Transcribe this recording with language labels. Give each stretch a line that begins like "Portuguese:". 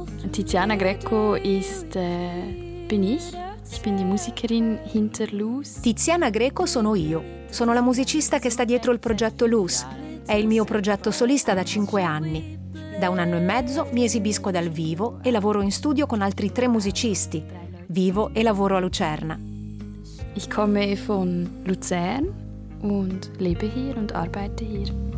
German: Tiziana Greco ist bin ich. Ich bin die Musikerin hinter Luz.
Italian: Tiziana Greco sono io. Sono la musicista che sta dietro il progetto Luz. È il mio progetto solista da 5 anni. Da 1 anno e mezzo mi esibisco dal vivo e lavoro in studio con altri 3 musicisti. Vivo e lavoro a Lucerna.
German: Ich komme von Luzern und lebe hier und arbeite hier.